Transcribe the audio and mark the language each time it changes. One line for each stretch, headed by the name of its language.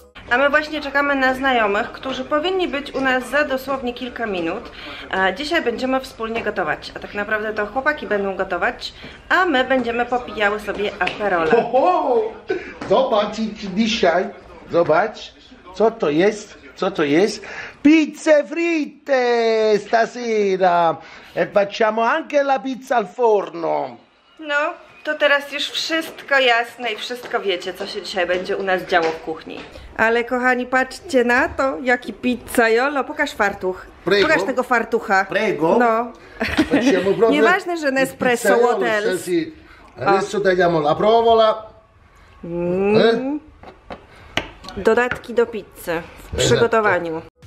Polish: A my właśnie czekamy na znajomych, którzy powinni być u nas za dosłownie kilka minut. Dzisiaj będziemy wspólnie gotować, a tak naprawdę to chłopaki będą gotować, a my będziemy popijały sobie aperola. Oho! Zobaczyć dzisiaj, zobacz, co to jest, co to jest.
Italian: Pizze fritte stasera! E facciamo anche la pizza al forno!
Polish: No, to teraz już wszystko jasne i wszystko wiecie, co się dzisiaj będzie u nas działo w kuchni. Ale kochani, patrzcie na to, jaki pizzaiolo. Pokaż fartuch.
Italian: Prego.
Polish: Pokaż tego fartucha.
Italian: Prego.
Polish: No. Nieważne, że Nespresso Hotels. Sensi.
Italian: Adesso tagliamo la provola.
Polish: Dodatki do pizzy w przygotowaniu.